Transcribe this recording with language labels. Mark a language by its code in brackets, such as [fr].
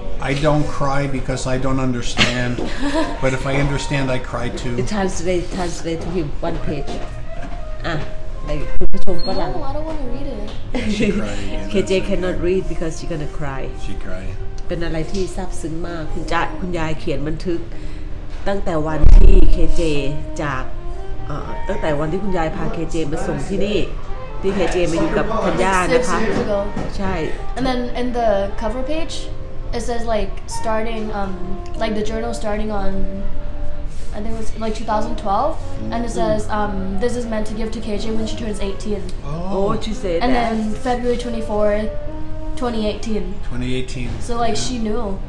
[en] I don't cry because I don't understand. But if I understand, I cry too. It translate to him one page. No, I don't want to read it. She cried. KJ cannot read because she's gonna cry. She cried. [th] เป็นอะไรที่ซาบซึ้งมากคุณยายเขียนบันทึกตั้งแต่วันที่ KJ จากตั้งแต่วันที่คุณยายพา KJ มาส่งที่นี่ที่เคเจมาอยู่กับคุณย่านะคะใช่ [en] and then in the cover page it says like starting like the journal starting on I think it was like 2012 and it says this is meant to give to KJ when she turns 18 oh she said and then February 24, 2018 so like she knew